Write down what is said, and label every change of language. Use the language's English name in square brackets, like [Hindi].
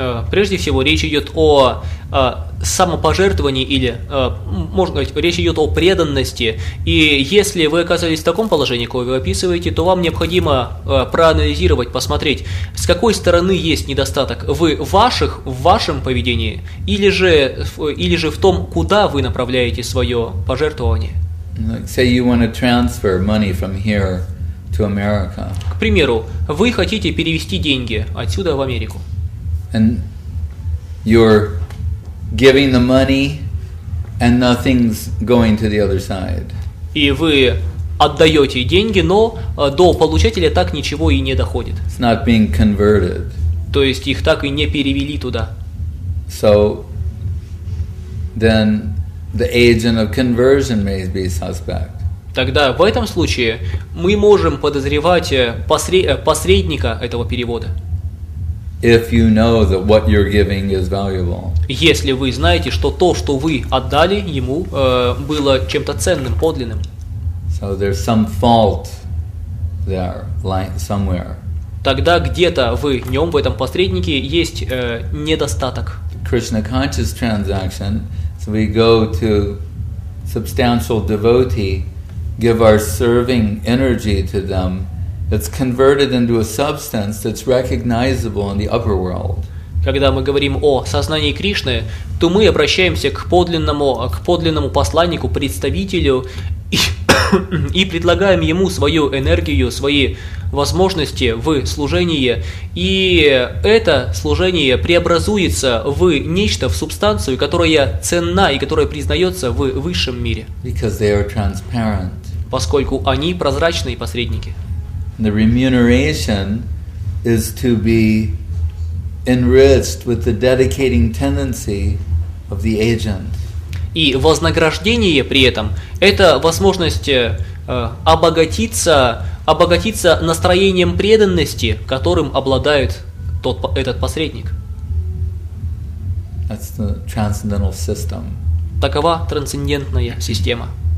[Russian] Прежде всего, речь идет о самопожертвовании или, можно сказать, речь идет о преданности. И если вы оказались в таком положении, какое вы описываете, то вам необходимо проанализировать, посмотреть, с какой стороны есть недостаток в ваших, в вашем поведении или же в том, куда вы направляете свое пожертвование. [English] Like, say you want to transfer money from here to America. [Russian] К примеру, вы хотите перевести деньги отсюда в Америку. [English] And you're giving the money, and nothing's going to the other side. [Russian] И вы отдаете деньги, но до получателя так ничего и не доходит. [English] It's not being converted. [Russian] То есть их так и не перевели туда. [English] So then the agent of conversion may be suspect. [Russian] Тогда в этом случае мы можем подозревать посредника этого перевода. [English] If you know that what you're giving is valuable. [Russian] Если вы знаете, что то, что вы отдали ему, было чем-то ценным, подлинным. [English] So there's some fault there, like somewhere. [Russian] Тогда где-то в нем, в этом посреднике, есть недостаток. [English] Krishna conscious transaction, so we go to substantial devotee, give our serving energy to them. It's converted into a substance that's recognizable in the upper world. [Russian] Когда мы говорим о сознании Кришны, то мы обращаемся к подлинному посланнику, представителю и предлагаем ему свою энергию, свои возможности в служении, и это служение преобразуется в нечто, в субстанцию, которая ценна и которая признается в высшем мире. [English] Because they are transparent. [Russian] Поскольку они прозрачные посредники. [English] The remuneration is to be enriched with the dedicating tendency of the agent. [Russian] И вознаграждение при этом – это возможность обогатиться настроением преданности, которым обладает этот посредник. [English] That's the transcendental system. [Russian] Такова трансцендентная система.